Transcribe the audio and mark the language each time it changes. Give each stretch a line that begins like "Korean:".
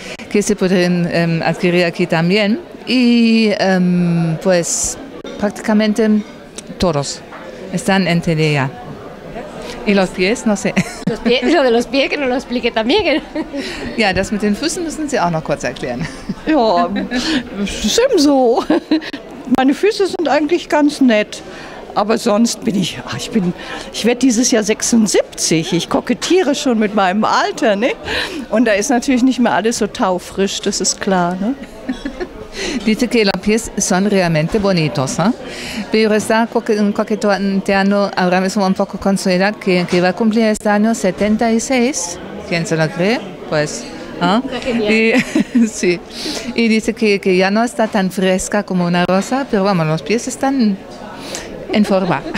Spanish: Que se pueden adquirir aquí también, y pues prácticamente todos están en CD ya. Y los pies, no sé. Los pies, lo de los pies, que no lo explique también.
German: Ja, das mit den Füßen müssen Sie auch noch kurz erklären. Ja, stimmt so. Meine Füße sind eigentlich ganz nett. Aber sonst bin ich, ich werde dieses Jahr 76. Ich kokettiere schon mit meinem Alter, ne? Und da ist natürlich nicht mehr alles so taufrisch, das ist klar, ne?
Spanish: Dice que los pies son realmente bonitos, ¿eh? Pero está coqueteando ahora mismo un poco con su edad, que va a cumplir este año 76, ¿quién se lo cree? Pues, ¿eh? Y, sí. Y dice que ya no está tan fresca como una rosa, pero vamos, los pies están en forma.